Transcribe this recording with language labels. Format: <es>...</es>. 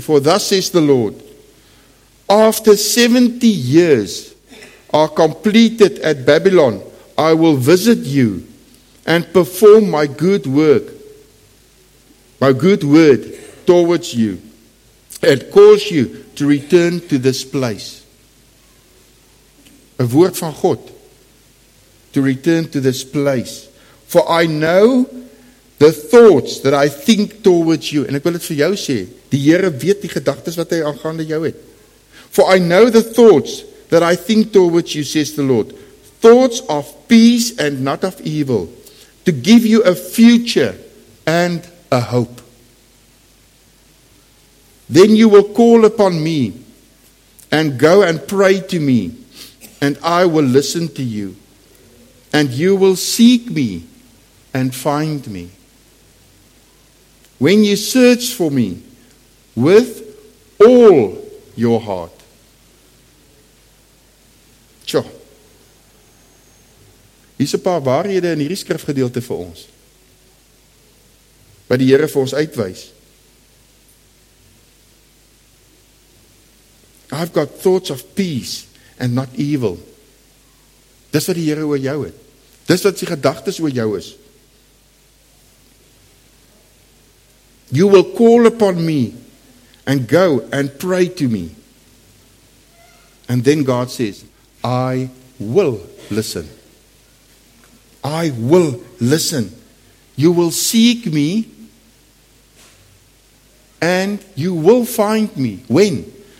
<en>For thus says the Lord, after 70 years are completed at Babylon, I will visit you and perform my good work, my good word towards you, and cause you to return to this place. A word from God. To return to this place. For I know the thoughts that I think towards you. And</en> <af>ek wil dit vir jou sê, die Here weet die gedagtes wat hy aangaande jou het.</af> <en>For I know the thoughts that I think towards you, says the Lord. Thoughts of peace and not of evil. To give you a future and a hope. Then you will call upon me and go and pray to me. And I will listen to you. And you will seek me and find me. When you search for me with all your heart. Tjo.</en> <af>Hier is 'n paar waarhede in hierdie skrifgedeelte vir ons. Wat die Here vir ons uitwys.</af> <en>I've got thoughts of peace and not evil.</en> <af>Dis wat die Here oor jou het. Dis wat sy gedagtes oor jou is.</af> <en>You will call upon me and go and pray to me. And then God says, I will listen. I will listen. You will seek me and you will find me. When?</en>